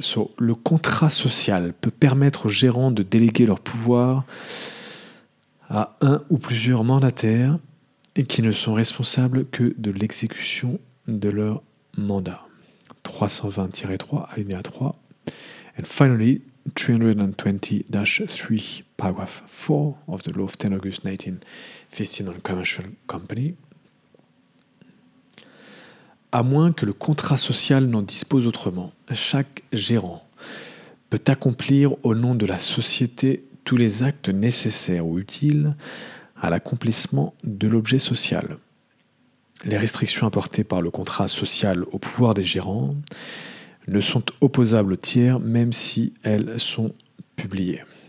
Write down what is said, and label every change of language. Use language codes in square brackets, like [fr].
[en] So, [fr] le contrat social peut permettre aux gérants de déléguer leur pouvoir à un ou plusieurs mandataires et qui ne sont responsables que de l'exécution de leur mandat. 320-3, alinéa 3. [en] And finally, 320-3, paragraph 4 of the law of 10 August 1915 on commercial company. [fr] À moins que le contrat social n'en dispose autrement, chaque gérant peut accomplir au nom de la société tous les actes nécessaires ou utiles à l'accomplissement de l'objet social. Les restrictions apportées par le contrat social au pouvoir des gérants ne sont opposables aux tiers même si elles sont publiées.